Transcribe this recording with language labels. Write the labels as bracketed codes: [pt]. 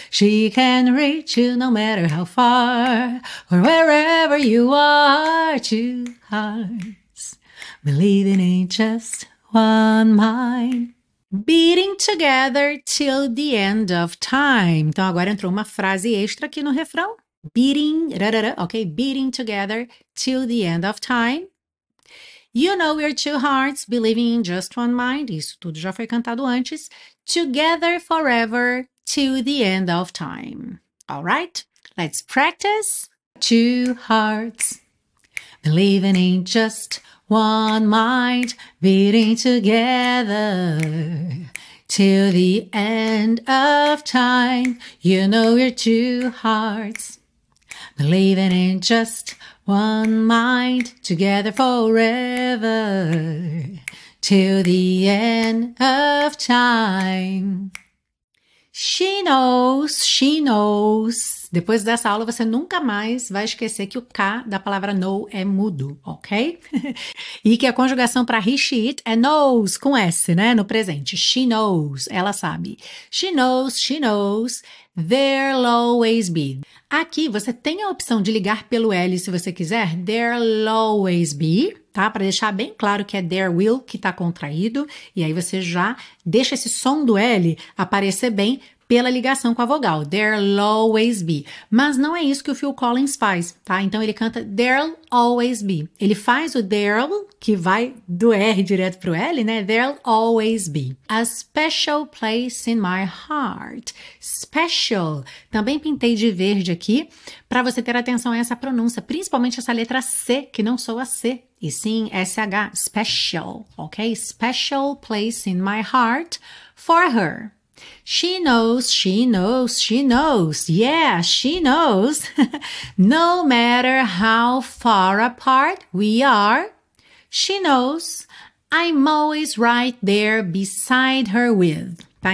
[en] She can reach you no matter how far, or wherever you are. Two hearts believing in just one mind. Beating together till the end of time. [pt] Então agora entrou uma frase extra aqui no refrão. [en] Beating, rarara, ok? Beating together till the end of time. You know we're two hearts believing in just one mind. [pt] Isso tudo já foi cantado antes. [en] Together forever till the end of time. All right? Let's practice. Two hearts believing in just one mind, beating together till the end of time. You know we're two hearts believing in just one mind together forever till the end of time. She knows. [pt] Depois dessa aula você nunca mais vai esquecer que o K da palavra know é mudo, ok? E que a conjugação para he, she, it é knows com S, né? No presente. [en] She knows. [pt] Ela sabe. She knows. [en] There'll always be. [pt] Aqui você tem a opção de ligar pelo L se você quiser. [en] There'll always be, [pt] tá? Para deixar bem claro que é there will que tá contraído. E aí você já deixa esse som do L aparecer bem pela ligação com a vogal. [en] There'll always be. [pt] Mas não é isso que o Phil Collins faz, tá? Então ele canta [en] there'll always be. [pt] Ele faz o there'll, que vai do R direto pro L, né? [en] There'll always be. A special place in my heart. Special. [pt] Também pintei de verde aqui para você ter atenção a essa pronúncia, principalmente essa letra C, que não soa C, e sim SH. [en] Special, ok? Special place in my heart for her. She knows, she knows, she knows. Yeah, she knows. No matter how far apart we are, she knows I'm always right there beside her with. Tá?